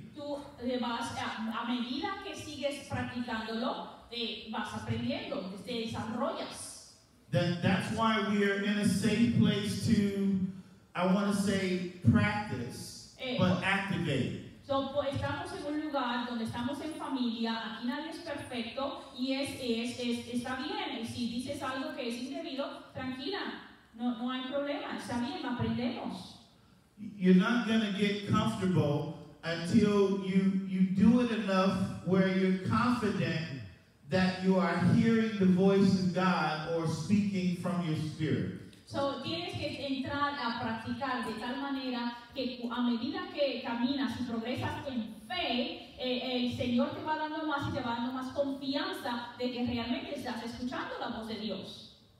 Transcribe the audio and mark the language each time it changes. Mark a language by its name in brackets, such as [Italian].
[Spanish] Tú le vas a medida que sigues practicándolo, te vas aprendiendo, te desarrollas. [English] That's why we are in a safe place to, I want to say, practice, but activate. [Spanish] Estamos en un lugar donde estamos en familia, aquí nadie es perfecto y está bien. Si dices algo que es indebido, tranquila, no hay problema, está bien, aprendemos. [English] You're not going to get comfortable until you do it enough where you're confident that you are hearing the voice of God or speaking from your spirit. [Spanish] So tienes que entrar a practicar de tal manera que a medida que caminas y progresas en fe, el Señor te va dando más y te va dando más confianza de que realmente estás escuchando la voz de Dios.